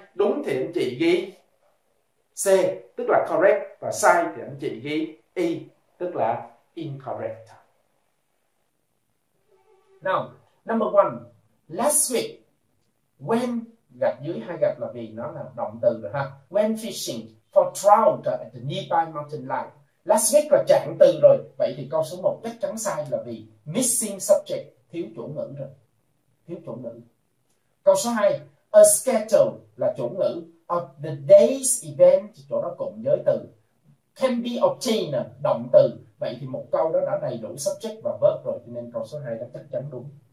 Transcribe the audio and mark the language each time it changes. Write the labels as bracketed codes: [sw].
[vi] Đúng thì anh chị ghi C, tức là correct, và sai thì anh chị ghi E, tức là incorrect. [en] Now, number one, last week, when [vi] gạch dưới hai gạch là vì nó là động từ rồi ha. [en] When fishing for trout at the nearby mountain lake. [vi] Last week là trạng từ rồi, vậy thì câu số 1 chắc chắn sai là vì [en] missing subject, [vi] thiếu chủ ngữ rồi. Thiếu chủ ngữ. Câu số 2, [en] a schedule [vi] là chủ ngữ, [en] of the day's event, [vi] chỗ đó cụm giới từ. [en] Can be obtained, [vi] động từ, vậy thì một câu đó đã đầy đủ subject và verb rồi, cho nên câu số 2 đã chắc chắn đúng.